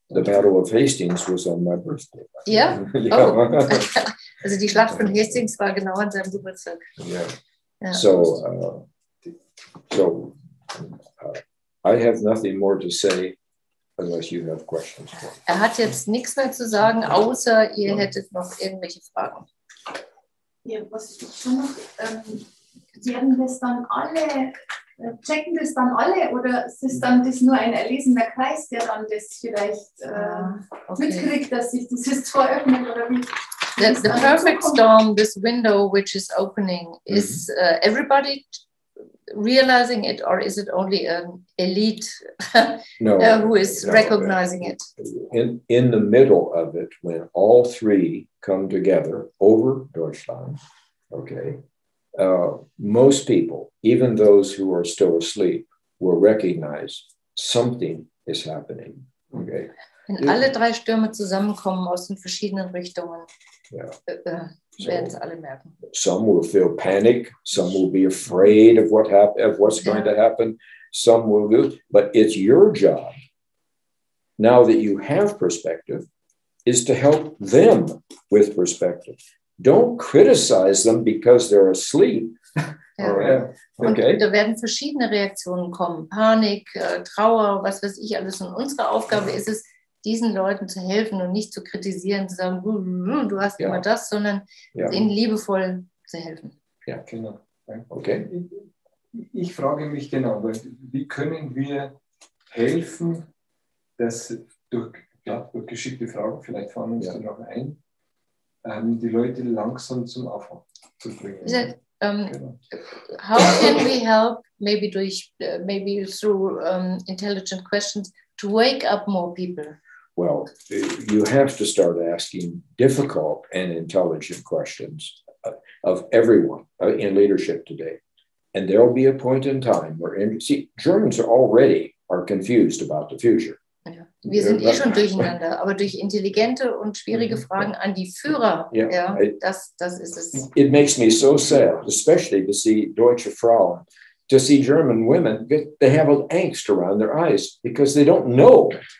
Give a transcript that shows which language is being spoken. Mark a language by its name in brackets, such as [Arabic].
[English] The Battle of Hastings was on my birthday. Yeah? Yeah. Oh. [German] Also die Schlacht von Hastings war genau an seinem Geburtstag. [English] Yeah. Yeah. So, I have nothing more to say. Unless you have questions. [German] Er hat jetzt nichts mehr zu sagen, außer ihr hättet noch irgendwelche Fragen. Ja, was schon noch? Werden das dann alle, checken das dann alle oder ist dann das nur ein erlesener Kreis, der dann das vielleicht mitkriegt, dass sich dieses Tor öffnet oder wie? [English] The perfect storm, this window which is opening, is everybody realizing it, or is it only an elite who is recognizing it? In the middle of it, when all three come together over Deutschland, okay, most people, even those who are still asleep, will recognize something is happening. Okay. [German] Wenn alle drei Stürme zusammenkommen aus den verschiedenen Richtungen, werden es alle merken. [English] Some will feel panic, some will be afraid of what's going to happen, some will do, but it's your job, now that you have perspective, is to help them with perspective. Don't criticize them because they're asleep. [German] Ja. Okay. Und da werden verschiedene Reaktionen kommen, Panik, Trauer, was weiß ich alles. Und unsere Aufgabe ist es, diesen Leuten zu helfen und nicht zu kritisieren, zu sagen, du hast immer das, sondern ihnen liebevoll zu helfen. Ja, genau. Okay. Ich frage mich genau, wie können wir helfen, dass durch geschickte Fragen, vielleicht fahren wir uns da noch ein, die Leute langsam zum Aufwachen zu bringen. Ja. [English] How can we help, maybe through intelligent questions, to wake up more people? well, you have to start asking difficult and intelligent questions of everyone in leadership today. And there'll be a point in time where, see, Germans already are confused about the future. [German] Ja. Wir sind eh schon durcheinander, aber durch intelligente und schwierige Fragen an die Führer, ja, das ist es. [English] It makes me so sad, especially to see [German] deutsche Frauen, [English] to see German women, they have an angst around their eyes, because they don't know.